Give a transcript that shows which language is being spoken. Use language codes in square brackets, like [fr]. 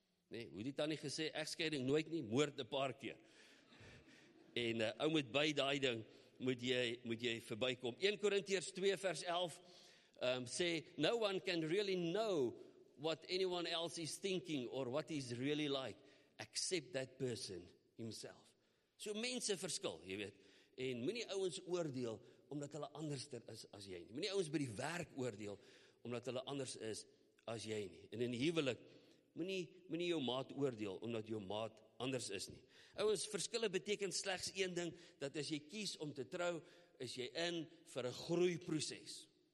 [af] Nee, hoe die tannie gesê, egskeiding nooit nie, moord 'n paar keer. En ou moet by daai ding, moet jy verbykom. 1 Korintiërs 2 vers 11 sê, [en] no one can really know what anyone else is thinking or what he's really like. Accept that person himself. So [af] mense verskil, jy weet. En moenie ouens oordeel omdat hulle anders is as jy nie. Moenie ouens by die werk oordeel omdat hulle anders is as jy nie. En in die huwelik moenie jou maat oordeel omdat jou maat anders is nie. Ouens, verskille beteken slegs een ding, dat as jy kies om te trou, is jy in vir 'n groeiproses.